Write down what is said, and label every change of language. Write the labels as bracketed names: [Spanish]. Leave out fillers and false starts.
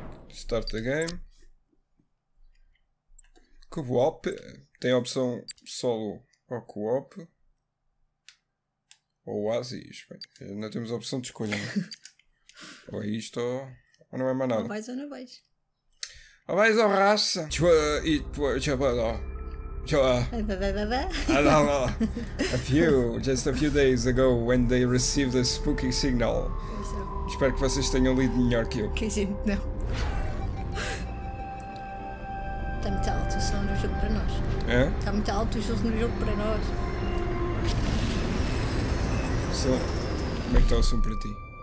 [English] Start the game. [Portuguese] Co-op, tem a opção solo ou co-op ou oásis, não temos a opção de escolha, né? Ou é isto ou não é mais nada. Ou vais ou não vais. Ou vais ou raça. [English] A few, just a few days ago when they received a spooky signal. [Portuguese] Espero que vocês tenham lido melhor que eu. Que sim, não. Está muito alto o som no jogo para nós. Como é que está o som para ti?